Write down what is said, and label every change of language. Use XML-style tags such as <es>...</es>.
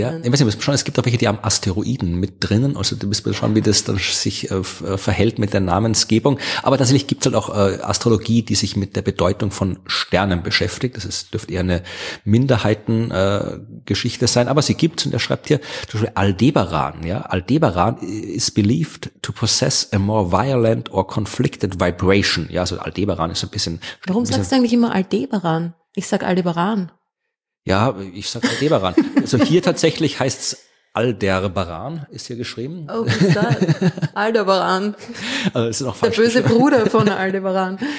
<de>Ja, ich weiß nicht, schon, es gibt auch welche, die haben Asteroiden mit drinnen. Also du musst mal schauen, wie das dann sich verhält mit der Namensgebung. Aber tatsächlich gibt es halt auch Astrologie, die sich mit der Bedeutung von Sternen beschäftigt. Das dürfte eher eine Minderheitengeschichte sein. Aber sie gibt's und er schreibt hier zum Beispiel Aldebaran. Ja?</de> <en>Aldebaran is believed to possess a more violent or conflicted vibration.</en> <de>Ja, also Aldebaran ist ein bisschen... Warum sagst du eigentlich immer Aldebaran? Ich sag Aldebaran. Ja, ich sag Aldebaran. Also hier tatsächlich heißt's Aldebaran, ist hier geschrieben. Oh, ist das? Aldebaran. Also ist noch der böse geschrieben. Bruder von Aldebaran.</de>